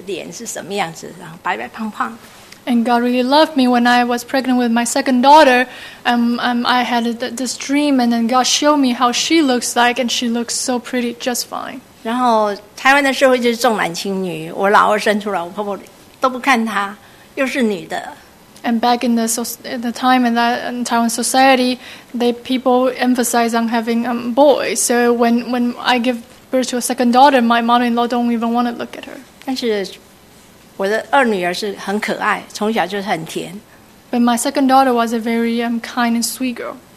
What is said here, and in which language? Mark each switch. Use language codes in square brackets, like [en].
[zh] 那在我生老二的时候，神很安慰我，在我怀孕才刚3个月的时候，就让我做梦说我的老二生出来是什么样子，脸是什么样子，然后白白胖胖。 [en] And God really loved me when I was pregnant with my second daughter. I had this dream, and then God showed me how she looks like, and she looks so pretty, just fine. [zh] 然后台湾的社会就是重男轻女，我老二生出来，我婆婆都不看她，又是女的。 [en] And back in the time in Taiwan society, people emphasize on having boys. So when I give birth to a second daughter, my mother-in-law don't even want to look at her. [zh] 我的二女儿是很可爱，从小就是很甜。But [en] my second daughter was a very kind and sweet girl.